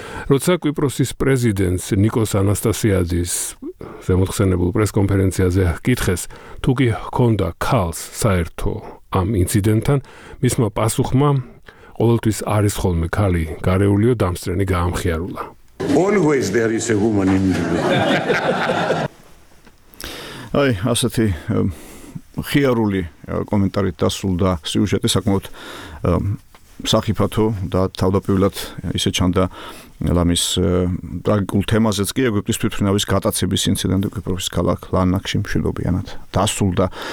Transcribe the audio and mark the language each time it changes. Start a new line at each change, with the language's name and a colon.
Georgian: როცა კვიპროსის პრეზიდენტს ნიკოს ანასტასიადის ზემოთხსენებულ პრესკონფერენციაზე ჰკითხეს, თუ კი ჰქონდა ქალს საერთო ამ ინციდენტთან, მისმა პასუხმა ყოველთვის არის ხოლმე ქალი გარეულიო, დამსწრენი გაამხიარულა.
English: Always there is a woman in me.
Georgian: აი, ასეთი ხიარული კომენტარით დასრულდა სიუჟეტი, საკმაოდ სახიფათო და თავდაპირველად ისე ჩანდა ლამის ტრაგიკულ თემაზეც კი ეგვიპტის თვითმფრინავის გატაცების ინციდენტი კვიპროსის ქალაქ ლარნაკში მშვიდობიანად დასრულდა.